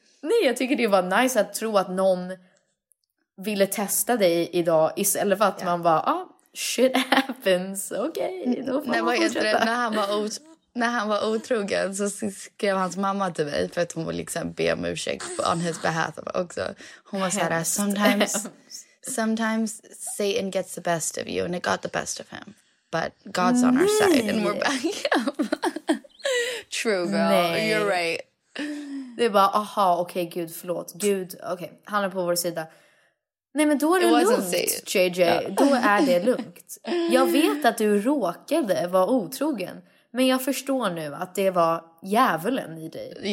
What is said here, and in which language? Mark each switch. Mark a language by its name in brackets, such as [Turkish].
[Swedish] Nej, jag tycker det var nice att tro att någon ville testa dig idag. Istället för att man bara, [English] shit happens. [Swedish] Okej, då får man fortsätta. När han var otrogen så skrev hans mamma till mig för att hon ville liksom be om ursäkt [English] on his behalf [Swedish] också. Hon var såhär, [English] sometimes Satan gets the best of you and it got the best of him. But God's on our side and we're backing him. True, girl. Nej. You're right. [Swedish] Det är bara, okej, Gud, förlåt. Gud, okej, han är på vår sida. Nej, men då är det lugnt, JJ. Yeah. Då är det lugnt. Jag vet att du råkade vara otrogen. Men jag förstår nu att det var djävulen i dig.